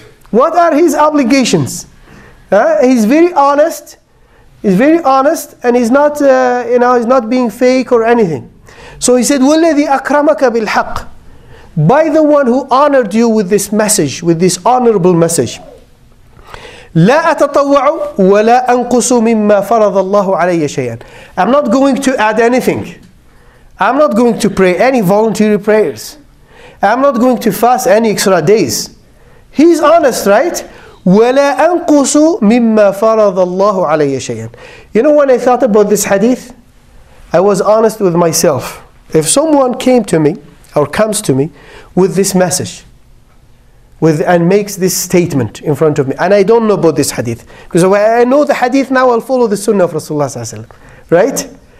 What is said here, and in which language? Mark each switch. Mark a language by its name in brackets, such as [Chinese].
[English] What are his obligations? He's very honest, and he's not, he's not being fake or anything. So he said, [Arabic] "وَالَّذِي أَكْرَمَكَ بِالْحَقِّ." [English] By the one who honored you with this message, with this honorable message. [Arabic] لا أتطوع ولا أنقص مما فرض الله علي شيئا. [English] I'm not going to add anything. I'm not going to pray any voluntary prayers. I'm not going to fast any extra days. He's honest, right? [Arabic] ولا أنقص مما فرض الله علي شيئا. [English] You know, when I thought about this hadith, I was honest with myself. If someone came to me or comes to me with this message, and makes this statement in front of me, and I don't know about this hadith, because I know the hadith, now I'll follow the sunnah of Rasulullah sallallahu alaihi wasallam, right?